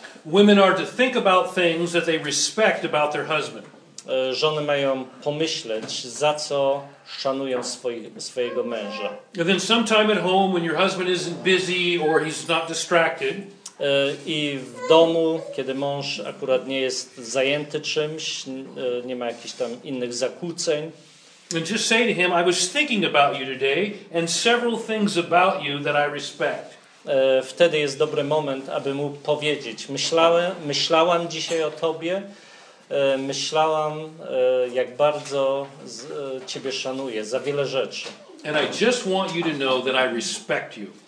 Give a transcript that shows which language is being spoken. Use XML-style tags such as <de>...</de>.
<en>Women are to think about things that they respect about their husband.</en> <pl>żony mają pomyśleć, za co szanują swojego męża.</pl> <en>And then sometime at home when your husband isn't busy or he's not distracted.</en> <pl>I w domu, kiedy mąż akurat nie jest zajęty czymś, nie ma jakichś tam innych zakłóceń.</pl> <en>And just say to him, I was thinking about you today and several things about you that I respect.</en> <pl>Wtedy jest dobry moment, aby mu powiedzieć, myślałam dzisiaj o tobie, myślałam, jak bardzo ciebie szanuję, za wiele rzeczy.</pl> <en>And I just want you to know that I respect you.</en>